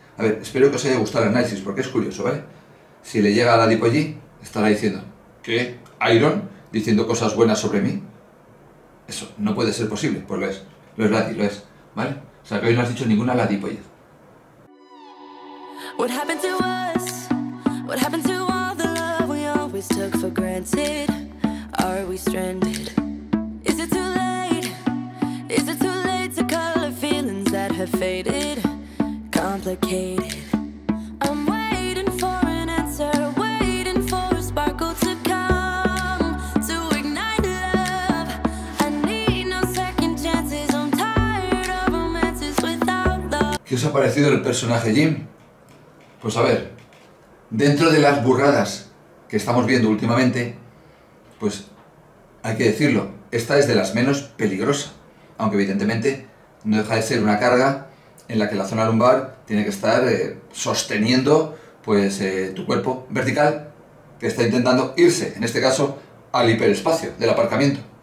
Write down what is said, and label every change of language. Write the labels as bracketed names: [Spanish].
[Spanish] A ver, espero que os haya gustado el análisis, porque es curioso, ¿vale? Si le llega a la adipo allí, estará diciendo, ¿qué? ¿Iron? ¿Diciendo cosas buenas sobre mí? Eso no puede ser posible, pues lo es, ¿vale? O sea, que hoy no has dicho ninguna la adipo allí. [English] What happened to us? What happened to all the love we always took for granted? Are we stranded? Is it too late? Is it too late to color feelings that have faded? Complicated. I'm waiting for an answer, waiting for a sparkle to come to ignite love. I need no second chances. I'm tired of romances without love. [Spanish] ¿Qué os ha parecido el personaje Jim? Pues a ver, dentro de las burradas que estamos viendo últimamente, pues hay que decirlo, esta es de las menos peligrosas, aunque evidentemente no deja de ser una carga en la que la zona lumbar tiene que estar sosteniendo pues tu cuerpo vertical, que está intentando irse, en este caso, al hiperespacio del aparcamiento,